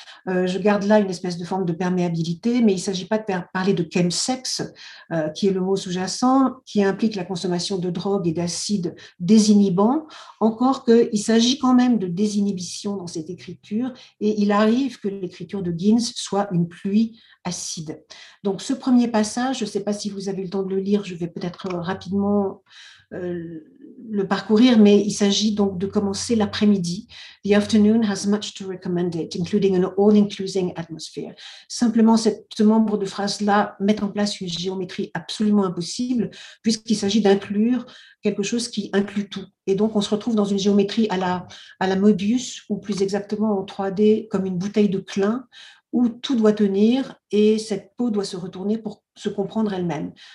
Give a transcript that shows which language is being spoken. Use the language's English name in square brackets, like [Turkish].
[French] Je garde là une espèce de forme de perméabilité, mais il ne s'agit pas de parler de chemsex, qui est le mot sous-jacent, qui implique la consommation de drogue et d'acides désinhibants, encore qu'il s'agit quand même de désinhibition dans cette écriture, et il arrive que l'écriture de Ginz soit une pluie acide. Donc, ce premier passage, je ne sais pas si vous avez le temps de le lire, je vais peut-être rapidement le parcourir, mais il s'agit donc de commencer l'après-midi. [English] The afternoon has much to recommend it, including an all-inclusive atmosphere. [French] Simplement, ce membre de phrase-là met en place une géométrie absolument impossible, puisqu'il s'agit d'inclure quelque chose qui inclut tout. Et donc, on se retrouve dans une géométrie à la Möbius, ou plus exactement en 3D, comme une bouteille de Klein, où tout doit tenir et cette peau doit se retourner pour se comprendre elle-même.